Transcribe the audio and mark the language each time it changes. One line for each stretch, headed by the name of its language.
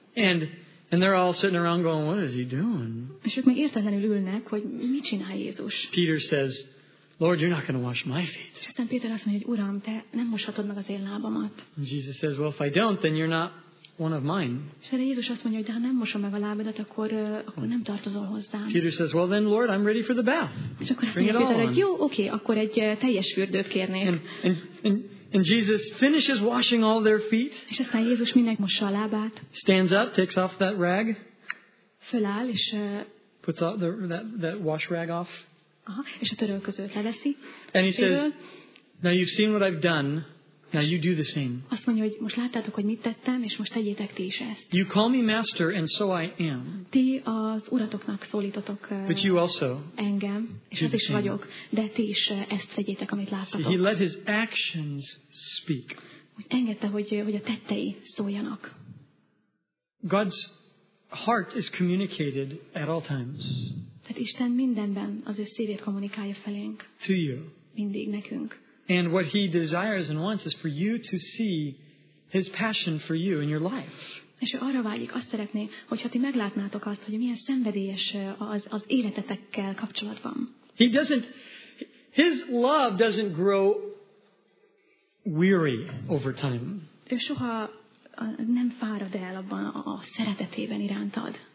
English: And they're all sitting around going, "What is he doing?"
Hungarian: És ők meg értetlenül ülnek, hogy mit csinál Jézus.
English: Peter says, "Lord, you're not going to wash my feet."
Hungarian: És aztán Péter azt mondja, hogy Uram, te nem moshatod meg az én lábamat.
English: And Jesus says, "Well, if I don't, then you're not one of mine."
Hungarian: És erre Jézus azt mondja, hogy de ha nem mosom meg a lábadat, akkor nem tartozol hozzám.
English: Peter says, "Well, then, Lord, I'm ready for the bath."
Hungarian: És akkor azt mondja Péter, hogy jó, oké, akkor egy teljes fürdőt kérnék.
English: And Jesus finishes washing all their feet.
Hungarian: És aztán Jézus mindenkinek mossa a lábát.
English: Stands up, takes off that rag.
Hungarian: Föláll, és
English: puts off that wash rag off.
Hungarian: Aha, és a törölközőt leveszi.
English: And he says, "Now you've seen what I've done. Now you do the same."
Hungarian: Azt mondja, hogy most láttátok, hogy mit tettem, és most tegyétek ti is ezt.
English: "You call me master, and so I am."
Hungarian: Ti az uratoknak szólítotok
English: but you also
Hungarian: engem, és az is vagyok, de ti is ezt tegyétek, amit láttatok.
English: He let his actions speak.
Hungarian: Engedte, hogy a tettei szóljanak.
English: God's heart is communicated at all times.
Hungarian: Tehát Isten mindenben az ő szívét kommunikálja felénk.
English: To you.
Hungarian: Mindig nekünk.
English: And what he desires and wants is for you to see his passion for you in your life.
Hungarian: És ő arra vágyik, azt szeretné, hogyha ti meglátnátok azt, hogy milyen szenvedélyes az életetekkel kapcsolatban.
English: He doesn't, his love doesn't grow weary over time.
Hungarian: Ő soha nem fárad el abban a szeretetében irántad.